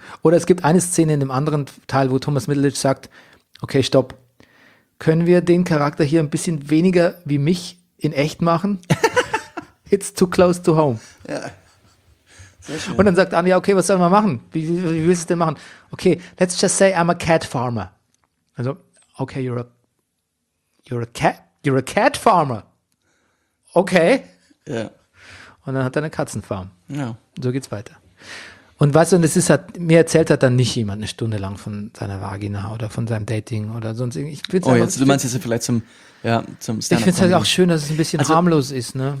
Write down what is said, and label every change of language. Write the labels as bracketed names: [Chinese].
[German] Oder es gibt eine Szene in dem anderen Teil, wo Thomas Middleditch sagt, okay, stopp, können wir den Charakter hier ein bisschen weniger wie mich in echt machen? [English] It's too close to home. [German] Ja. Und dann sagt Anja, okay, was sollen wir machen? Wie willst du es denn machen? [English] Okay, let's just say I'm a cat farmer. [German] Also, [English] okay, you're a cat farmer. [German] Okay. Ja. Und dann hat er eine Katzenfarm. Ja. So geht's weiter. Und weißt du, und das ist halt, mir erzählt hat dann nicht jemand eine Stunde lang von seiner Vagina oder von seinem Dating oder sonst irgendwie. Oh, jetzt, du meinst jetzt vielleicht zum Stand-up. Ich finde es halt auch schön, dass es ein bisschen harmlos ist, ne?